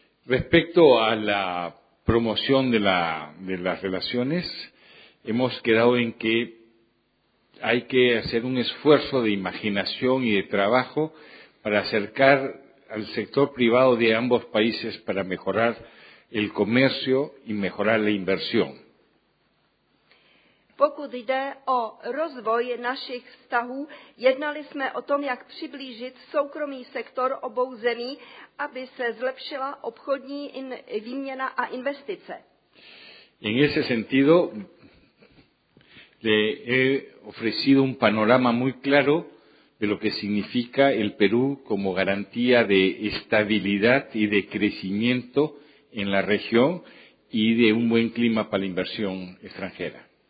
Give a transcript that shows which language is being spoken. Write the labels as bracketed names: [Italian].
[Spanish] Respecto a la promoción de las relaciones, hemos quedado en que hay que hacer un esfuerzo de imaginación y de trabajo para acercar al sector privado de ambos países para mejorar el comercio y mejorar la inversión. [Czech] Pokud jde o rozvoj našich vztahů, jednali jsme o tom, jak přiblížit soukromý sektor obou zemí, aby se zlepšila obchodní výměna a investice. [Spanish] En ese sentido, le he ofrecido un panorama muy claro de lo que significa el Perú como garantía de estabilidad y de crecimiento en la región y de un buen clima para la inversión extranjera.